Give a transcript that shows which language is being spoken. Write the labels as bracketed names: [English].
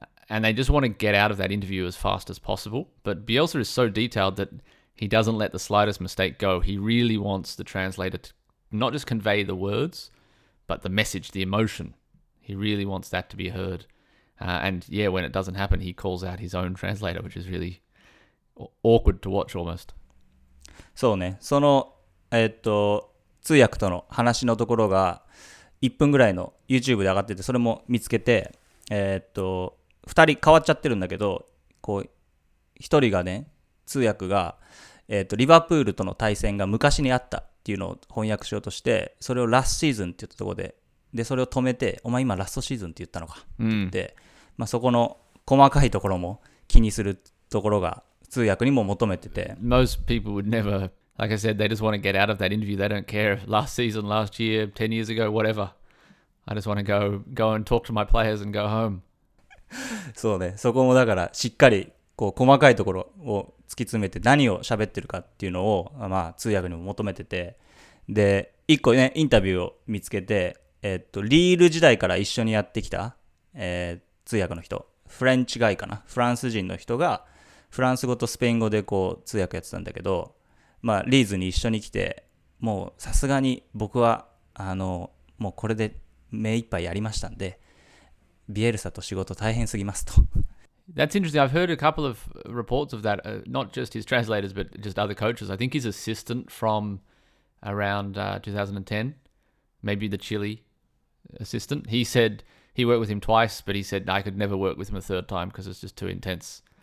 [English] And they just want to get out of that interview as fast as possible. But Bielsa is so detailed thatHe doesn't let the slightest mistake go. He really wants the translator to not just convey the words, but the message, the emotion. He really wants that to be heard. And yeah, when it doesn't happen, he calls out his own translator, which is really awkward to watch almost. [Japanese] そうね。その、通訳との話のところが1分ぐらいの YouTube で上がってて、それも見つけて、2人変わっちゃってるんだけど、こう、1人がね、通訳が、リバプールとの対戦が昔にあったっていうのを翻訳しようとしてそれをラストシーズンって言ったところ でそれを止めてお前今ラストシーズンって言ったのかって言って、うんまあ、そこの細かいところも気にするところが通訳にも求めてて [English] Most people would never Like I said, they just want to get out of that interview They don't care if last season, last year, 10 years ago, whatever I just want to go and talk to my players and go home [Japanese] そうねそこもだからしっかりこう細かいところを突き詰めて何を喋ってるかっていうのをまあ通訳にも求めててで一個ねインタビューを見つけてリール時代から一緒にやってきた通訳の人フレンチガイかなフランス人の人がフランス語とスペイン語でこう通訳やってたんだけどまあリーズに一緒に来てもうさすがに僕はもうこれで目一杯やりましたんでビエルサと仕事大変すぎますと [English] That's interesting. I've heard a couple of reports of that,、not just his translators, but just other coaches. I think his assistant from around 2010, maybe the Chile assistant, he said he worked with him twice, but he said, I could never work with him a third time because it's just too intense.